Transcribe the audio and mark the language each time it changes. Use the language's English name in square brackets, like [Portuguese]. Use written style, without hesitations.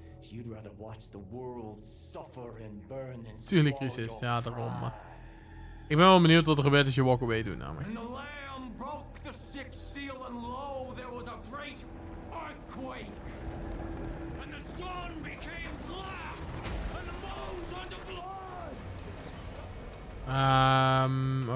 [English] You'd rather watch the world suffer and burn than [Dutch] tuurlijk, resist. Ja, daarom. Maar. Ik ben wel benieuwd wat er gebeurt als je walk away doet, namelijk. [English] And the lamb broke the sixth seal, and lo, there was a great earthquake. And the sun became black, and the moon's under blood.